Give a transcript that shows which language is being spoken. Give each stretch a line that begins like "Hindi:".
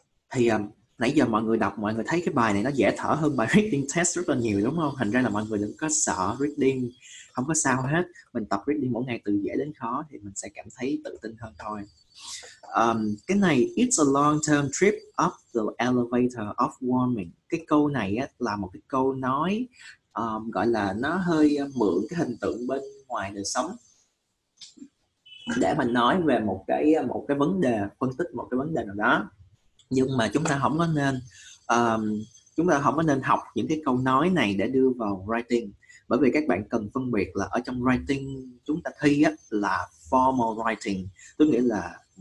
Vietnamese: Thì nãy giờ mọi người đọc, mọi người thấy cái bài này nó dễ thở hơn bài reading test rất là nhiều đúng không? Thành ra là mọi người đừng có sợ reading, không có sao hết. Mình tập reading mỗi ngày từ dễ đến khó thì mình sẽ cảm thấy tự tin hơn thôi. Cái này,
English: it's a long term trip up the elevator of warming.
Vietnamese: Cái câu này á, là một cái câu nói gọi là nó hơi mượn cái hình tượng bên ngoài đời sống để mà nói về một cái vấn đề, phân tích một cái vấn đề nào đó. Nhưng mà chúng ta không có nên học những cái câu nói này để đưa vào writing, bởi vì các bạn cần phân biệt là ở trong writing chúng ta thi á, là formal writing, tức nghĩa là